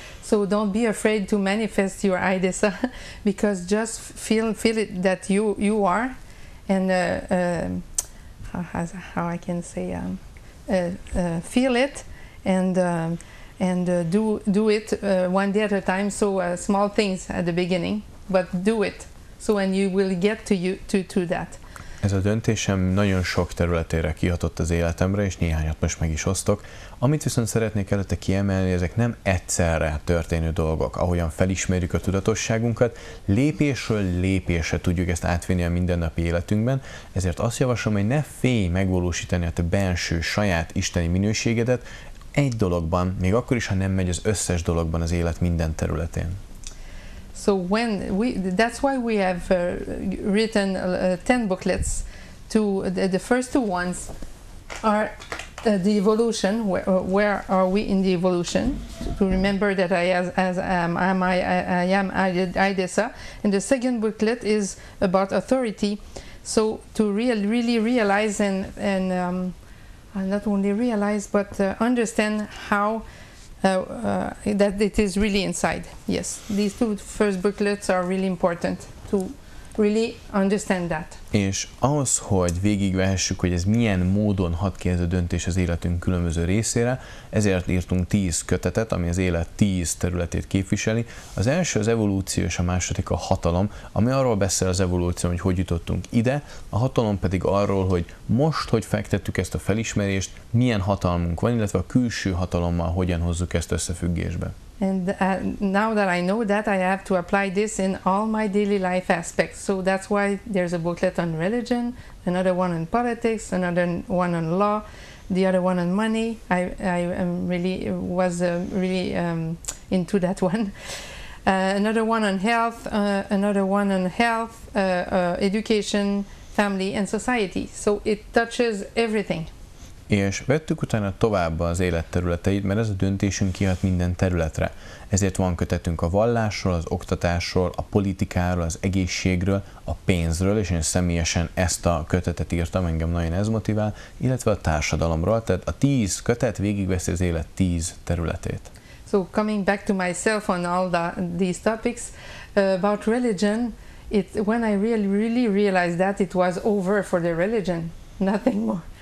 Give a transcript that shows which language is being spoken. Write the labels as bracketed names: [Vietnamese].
[English] So don't be afraid to manifest your Idessa, because just feel it that you are, and how I can say feel it and do it one day at a time, so small things at the beginning, but do it, so and you will get to that. [Hungarian] Ez a döntésem nagyon sok területére kihatott az életemre, és néhányat most meg is osztok. Amit viszont szeretnék előtte kiemelni, ezek nem egyszerre történő dolgok. Ahogyan felismerjük a tudatosságunkat, lépésről lépésre tudjuk ezt átvinni a mindennapi életünkben, ezért azt javaslom, hogy ne félj megvalósítani a te belső saját isteni minőségedet, egy dologban, még akkor is, ha nem megy az összes dologban az élet minden területén. [English] So when that's why we have written 10 booklets. To the first two ones are the evolution. Where are we in the evolution? To remember that I am Idessa. And the second booklet is about authority. So to really realize and not only realize, but understand how that it is really inside. Yes, these two first booklets are really important to really understand that. [Hungarian] És ahhoz, hogy végigvehessük, hogy ez milyen módon hat ki ez a döntés az életünk különböző részére, ezért írtunk 10 kötetet, ami az élet 10 területét képviseli. Az első az evolúció, és a második a hatalom, ami arról beszél az evolúció, hogy hogy jutottunk ide, a hatalom pedig arról, hogy most, hogy fektettük ezt a felismerést, milyen hatalmunk van, illetve a külső hatalommal hogyan hozzuk ezt összefüggésbe. [English] And now that I know that, I have to apply this in all my daily life aspects. So that's why there's a booklet on religion, another one on politics, another one on law, the other one on money. I was really into that one. Another one on health, education, family, and society. So it touches everything. [Hungarian] És vettük utána tovább az életterületeit, mert ez a döntésünk kihat minden területre. Ezért van kötetünk a vallásról, az oktatásról, a politikáról, az egészségről, a pénzről, és én személyesen ezt a kötetet írtam, engem nagyon ez motivál, illetve a társadalomról. Tehát a 10 kötet végigveszi az élet 10 területét. [English] So coming back to myself on all these topics about religion, it when I really realized that it was over for the religion, nothing more.